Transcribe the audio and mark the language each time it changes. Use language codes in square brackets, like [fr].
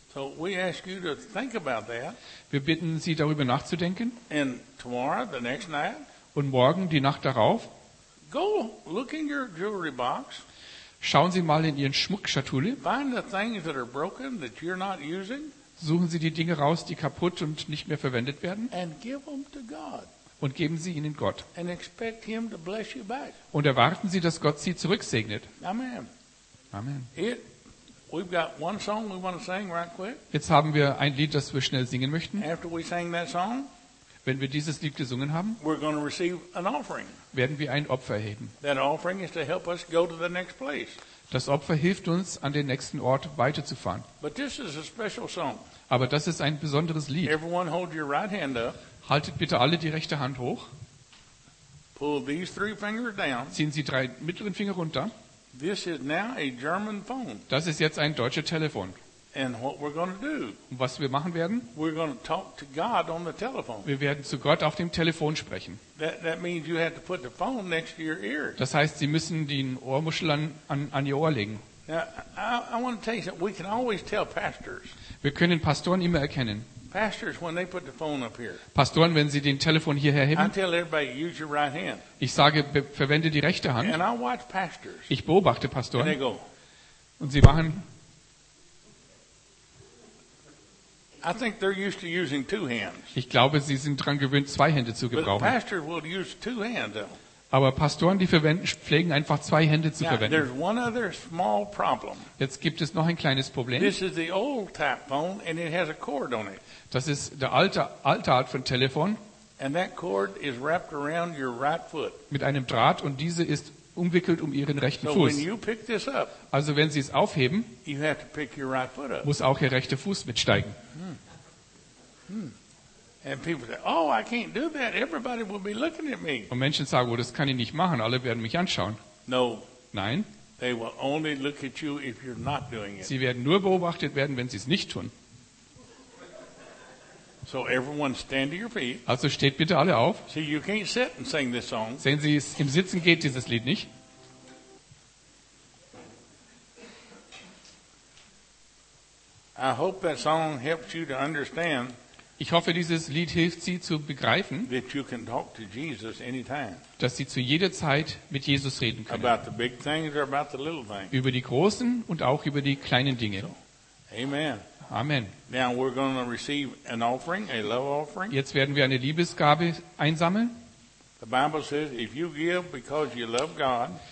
[en] So we ask you to think about that. [de] Wir bitten Sie, darüber nachzudenken. [en] And tomorrow, the next night, [de] und morgen, die Nacht darauf, [en] go look in your jewelry box. [de] Schauen Sie mal in Ihren Schmuckschatulle. [en] Find the things that are broken that you're not using. [de] Suchen Sie die Dinge raus, die kaputt und nicht mehr verwendet werden. [en] And give them to God. [de] Und geben Sie ihnen Gott. [en] And expect him to bless you back. [de] Und erwarten Sie, dass Gott Sie zurücksegnet. [en] Amen. [de] Amen. [en] We've got one song we want to sing right quick. [de] Jetzt haben wir ein Lied, das wir schnell singen möchten. [en] After we sing that song, [de] wenn wir dieses Lied gesungen haben, [en] we're going to receive an offering. [de] Werden wir ein Opfer erheben. [en] That offering is to help us go to the next place. [de] Das Opfer hilft uns, an den nächsten Ort weiterzufahren. [en] But this is a special song. [de] Aber das ist ein besonderes Lied. [en] Everyone hold your right hand up. [de] Haltet bitte alle die rechte Hand hoch. [en] Pull these three fingers down. [de] Ziehen Sie drei mittleren Finger runter. [en] This is now a German phone. [de] Das ist jetzt ein deutscher Telefon. [en] And what we're going to do? [de] Und was wir machen werden? [en] We're going to talk to God on the telephone. [de] Wir werden zu Gott auf dem Telefon sprechen. [en] That means you have to put the phone next to your ear. [de] Das heißt, Sie müssen die Ohrmuschel an Ihr Ohr legen. [en] Now, I want to tell you something. We can always tell pastors. [de] Wir können Pastoren immer erkennen. [en] Pastors, when they put the phone up here. [de] Pastoren, wenn Sie den Telefon hierher heben. [en] I tell everybody, use your right hand. [de] Ich sage, verwende die rechte Hand. [en] And I watch pastors. [de] Ich beobachte Pastoren. [en] And they go. [de] Und sie machen. [en] I think they're used to using two hands. [de] Ich glaube, sie sind dran gewöhnt, zwei Hände zu gebrauchen. [en] But pastors will use two hands, though. [de] Aber Pastoren, die verwenden, pflegen einfach zwei Hände zu verwenden. [en] There's one other small problem. [de] Jetzt gibt es noch ein kleines Problem. [en] This is the old type phone and it has a cord on it. [de] Das ist der alte Art von Telefon. [en] And that cord is wrapped around your right foot. [de] Mit einem Draht und diese ist umwickelt um ihren rechten Fuß. [en] So when you pick this up, [de] also wenn Sie es aufheben, [en] you have to pick your right foot up. [de] Muss auch Ihr rechter Fuß mitsteigen. [en] And people say, oh, I can't do that. Everybody will be looking at me. [de] Und Menschen sagen, oh, das kann ich nicht machen. Alle werden mich anschauen. [en] No. [de] Nein. [en] They will only look at you if you're not doing it. [de] Sie werden nur beobachtet werden, wenn Sie es nicht tun. [en] So everyone stand to your feet. [de] Also steht bitte alle auf. [en] See, you can't sit and sing this song. [de] Sehen Sie, im Sitzen geht dieses Lied nicht. [en] I hope that song helps you to understand. [de] Ich hoffe, dieses Lied hilft Sie zu begreifen, [en] that you can talk to Jesus anytime. [de] Dass Sie zu jeder Zeit mit Jesus reden können. [en] About the big things or about the little things. [de] Über die großen und auch über die kleinen Dinge. [en] Amen. [de] Amen. [en] Now we're going to receive an offering, a love offering. [de] Jetzt werden wir eine Liebesgabe einsammeln. [en] The Bible says, if you give because you love God,